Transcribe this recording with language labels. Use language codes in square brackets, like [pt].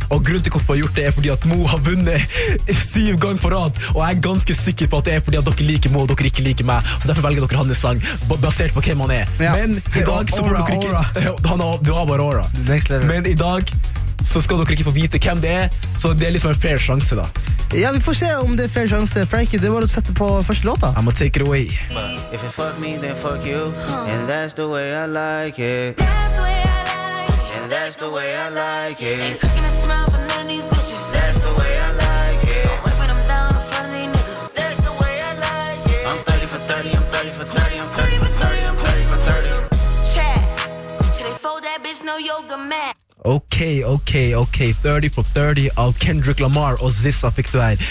[no] Og grunnen til hvorfor jeg har gjort det er fordi at Mo har vunnet 7 ganger på rad, og jeg er ganske sikker på at det er fordi at dere liker Mo, og dere ikke liker meg. Så derfor velger dere hans sang, basert på hvem han er. Ja. Men i dag så får dere ikke... Du har bare aura. [en] Next level. [no] Men i dag... Så skal dere ikke få vite hvem det er. Så det er liksom en fair sjanse da. Ja, vi får se om det er fair sjanse. Frankie, det var å sette på første låta. [en] I'm gonna take it away. If you fuck me, then fuck you. And that's the way I like it. That's the way I like it. And that's the way I like it. Ain't cooking a smile for none of these bitches. That's the way I like it. I'm whipping them down in front of these niggas. That's the way I like it. I'm 30 for 30, I'm 30 for 30, I'm 30 for 30, I'm 30 for 30. Chat, should they fold that bitch no yoga mat? [no] Ok, 30 for 30 av Kendrick Lamar og Zissa fikk du her.